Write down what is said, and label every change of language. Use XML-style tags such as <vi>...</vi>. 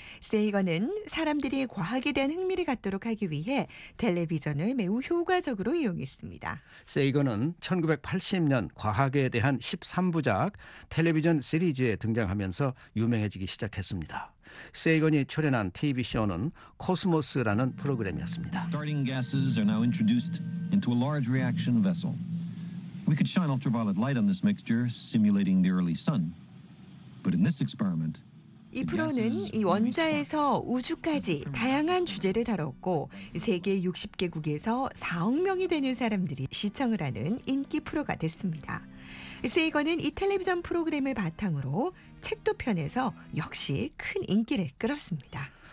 <ko>세이건은 사람들이 과학에 대한 흥미를 갖도록 하기 위해 텔레비전을 매우 효과적으로 이용했습니다. 세이건은 1980년 과학에 대한 13부작 텔레비전 시리즈에 등장하면서 유명해지기 시작했습니다. 세이건이 출연한 TV 쇼는 코스모스라는 프로그램이었습니다.</ko> <en>Starting gases are now introduced into a large reaction vessel. We could shine ultraviolet light on this mixture, simulating the early sun. But in this experiment,</en> <ko>이 프로는 이 원자에서 우주까지 다양한 주제를 다뤘고 세계 60개국에서 4억 명이 되는 사람들이 시청을 하는 인기 프로가 됐습니다. 세이건은 이 텔레비전 프로그램을 바탕으로 책도 펴내서 역시 큰 인기를 끌었습니다.</ko>